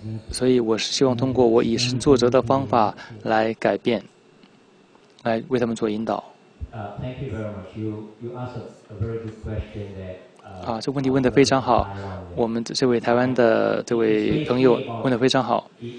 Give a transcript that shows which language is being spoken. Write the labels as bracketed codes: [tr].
[zh] 所以，我是希望通过我以身作则的方法来改变，来为他们做引导。 [en] Thank you very much. You asked a very good question there. [zh] 这问题问得非常好，我们这位台湾的这位朋友问得非常好。